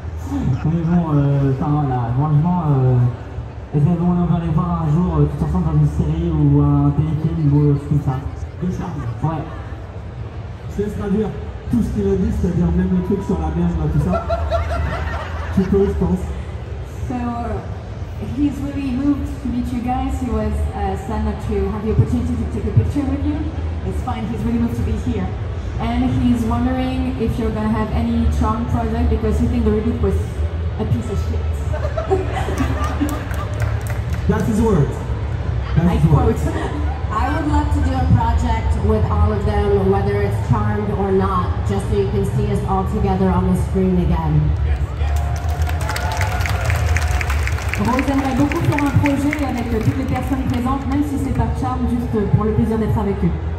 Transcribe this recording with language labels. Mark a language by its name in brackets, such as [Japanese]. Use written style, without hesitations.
[French] Mais bon, enfin voilà, franchement, est-ce qu'on va les voir un jour tout ensemble dans une série ou un téléfilm ou tout ça. Des charmes. Ouais. Je laisse traduire tout ce qu'il a dit, c'est-à-dire même le truc sur la merde, là, tout ça. Tu peux, je pense. [English] So he's really moved to meet you guys. He was sad not to have the opportunity to take a picture with you. It's fine, he's really moved to be here. And he's wondering if you're gonna have any charm project because he thinks the reboot was a piece of shit. That's his words. I quote. I would love to do a project with all of them, whether it's charmed or not, just so you can see us all together on the screen again. [French] Rose aimerait beaucoup faire un projet avec toutes les personnes présentes, même si c'est par charme, juste pour le plaisir d'être avec eux.